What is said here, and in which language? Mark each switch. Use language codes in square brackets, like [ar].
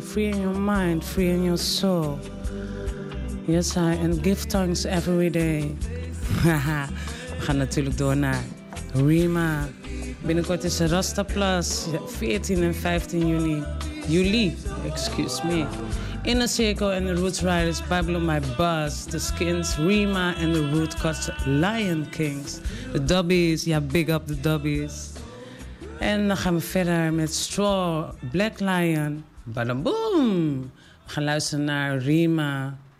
[en] Free in your mind, free in your soul. Yes, I. And give thanks every day. [nl] We gaan natuurlijk door naar Rima. Binnenkort is Rasta Plus. 14 en 15 juni. Juli, [en] excuse me. Inner Circle and the Roots Riders, Bible on my bus. The Skins, Rima and the Root Cuts, Lion Kings. The Dubbies, ja, big up the Dubbies. [nl] En dan gaan we verder met Straw, Black Lion. Badaboom! We gaan luisteren naar Rima.